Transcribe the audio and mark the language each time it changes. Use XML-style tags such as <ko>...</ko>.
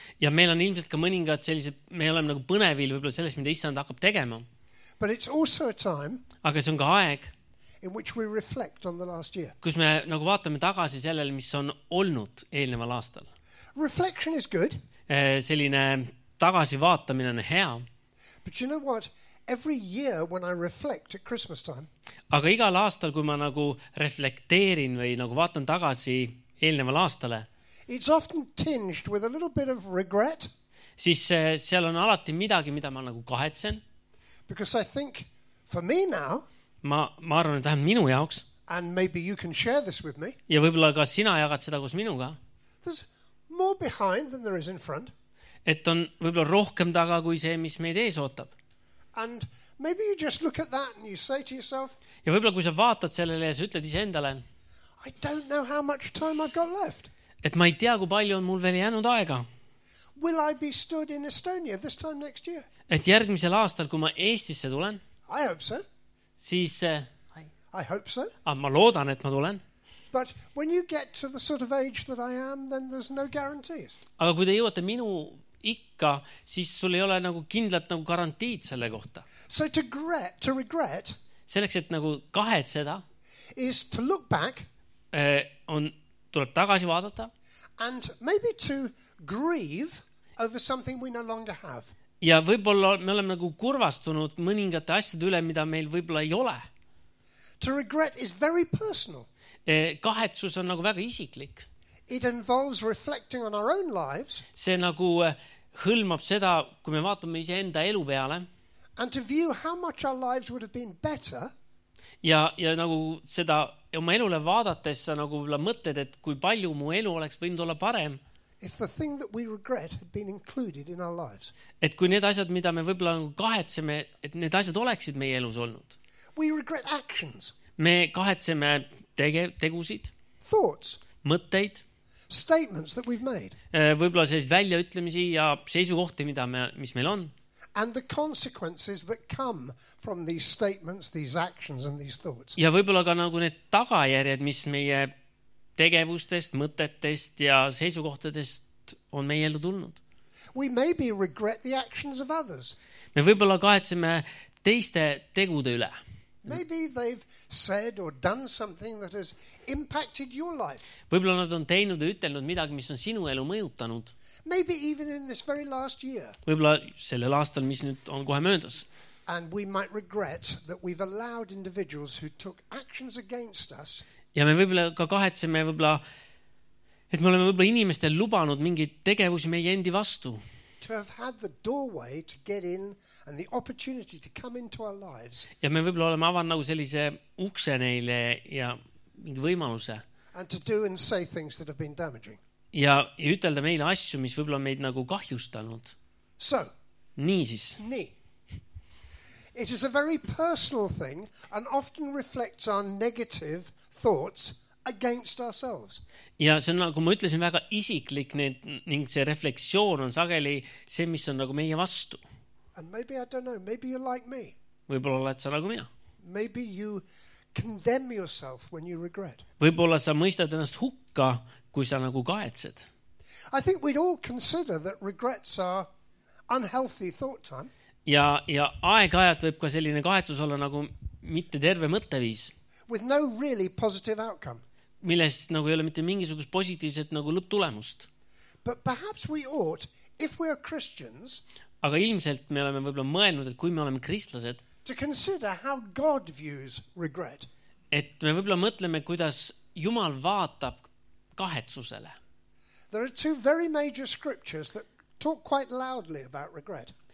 <et>Ja meil on ilmselt ka mõningad sellised, me oleme nagu põnevil võib-olla sellest, mida Issand hakkab tegema.</et> <en>But it's also a time.</en> <et>Aga see on ka aeg.</et> <en>In which we reflect on the last year.</en> <et>Kus me nagu vaatame tagasi sellele, mis on olnud eelneval aastal.</et> <en>Reflection is good.</en> <et>Selline tagasi vaatamine on hea.</et> <en>But you know what? Every year when I reflect at Christmas time.</en> <et>Aga igal aastal, kui ma nagu reflekteerin või nagu vaatan tagasi eelneval aastale.</et> <en>It's often tinged with a little bit of regret.</en> <et>Siis seal on alati midagi, mida ma nagu kahetsen.</et> <en>Because I think for me now.</en> <et>Ma arvan, et vähemalt minu jaoks.</et> <en>And maybe you can share this with me.</en> <et>Ja võib-olla ka sina jagad seda koos minuga.</et> <en>There's more behind than there is in front.</en> <et>Et on võib-olla rohkem taga kui see, mis meid ees ootab.</et> <en>And maybe you just look at that and you say to yourself.</en> <et>Ja võib-olla kui sa vaatad sellele ja sa ütled ise endale.</et> <en>I don't know how much time I've got left.</en> <et>Et ma ei tea, kui palju on mul veel jäänud aega.</et> <en>Will I be stood in Estonia this time next year?</en> <et>Et järgmisel aastal, kui ma Eestisse tulen.</et> <en>I hope so.</en> <et>Siis</et> <en>I hope so.</en> <et>Ma loodan, et ma tulen.</et> <en>But when you get to the sort of age that I am, then there's no guarantees.</en> <et>Aga kui te jõuate minu ikka, siis sul ei ole nagu kindlat nagu garantiid selle kohta.</et> <en>So to regret</en> <et>selleks, et nagu kahetseda,</et> <en>is to look back</en> <et>on tuleb tagasi vaadata</et> <en>and maybe to grieve over something we no longer have.</en> <et>Ja võib-olla me oleme nagu kurvastunud mõningate asjade üle, mida meil võib-olla ei ole.</et> <en>To regret is very personal.</en> <et>Kahetsus on nagu väga isiklik.</et> <en>It involves reflecting on our own lives.</en> <et>See nagu hõlmab seda, kui me vaatame ise enda elu peale.</et> <en>And to view how much our lives would have been better.</en> <et>Ja nagu seda oma elule vaadates sa nagu mõtled, et kui palju mu elu oleks võinud olla parem.</et> <en>If the thing that we regret had been included in our lives.</en> <et>Et kui need asjad, mida me võib-olla kahetseme, et need asjad oleksid meie elus olnud.</et> <en>We regret actions.</en> <et>Me kahetseme tegusid.</et> <en>Thoughts.</en> <et>Mõtteid.</et> <en>Statements that we've made.</en> <et>Võib-olla sellised väljaütlemisi ja seisukohti, mis meil on.</et> <en>And the consequences that come from these statements, these actions and these thoughts.</en> <et>Ja võib-olla ka nagu need tagajärjed, mis meie tegevustest, mõtetest ja seisukohtadest on meie eeldu tulnud.</et> <en>We maybe regret the actions of others.</en> <et>Me võib-olla kahetseme teiste tegude üle.</et> <en>Maybe they've said or done something that has impacted your life.</en> <et>Võib-olla nad on teinud ja ütelnud midagi, mis on sinu elu mõjutanud.</et> <en>Maybe even in this very last year.</en> <et>Võib-olla sellel aastal, mis nüüd on kohe möödas.</et> <en>And we might regret that we've allowed individuals who took actions against us.</en> <et>Ja me võib-olla ka kahetseme võib-olla, et me oleme võib-olla inimestel lubanud mingid tegevusi meie endi vastu.</et> <en>To have had the doorway to get in and the opportunity to come into our lives.</en> <et>Ja me võib-olla oleme avanud nagu sellise ukse neile ja mingi võimaluse.</et> <en>And to do and say things that have been damaging.</en> <et>Ja ütelda meile asju, mis võib-olla meid nagu kahjustanud.</et> <en>So.</en> <et>Nii siis. Nii.</et> <en>It is a very personal thing and often reflects our negative thoughts against ourselves.</en> <et>Ja see on nagu ma ütlesin väga isiklik need, ning see refleksioon on sageli see, mis on nagu meie vastu.</et> <en>And maybe I don't know, maybe you're like me.</en> <et>Võib-olla oled sa nagu mina.</et> <en>Maybe you condemn yourself when you regret.</en> <et>Võib-olla sa mõistad ennast hukka, kui sa nagu kahetsed.</et> <en>I think we'd all consider that regrets are unhealthy thought time.</en> <et>Ja aeg-ajalt võib ka selline kahetsus olla nagu mitte terve mõtteviis.</et> <en>With no really positive outcome.</en> <et>Millest nagu ei ole mitte mingisugust positiivset nagu lõptulemust.</et> <en>But perhaps we ought, if we are Christians,</en> <et>aga ilmselt me oleme võib-olla mõelnud, et kui me oleme kristlased,</et> <en>to consider how God views regret.</en> <et>Et me võib-olla mõtleme, kuidas Jumal vaatab kahetsusele.</et> <en>There are two very major scriptures that talk quite loudly about regret.</en>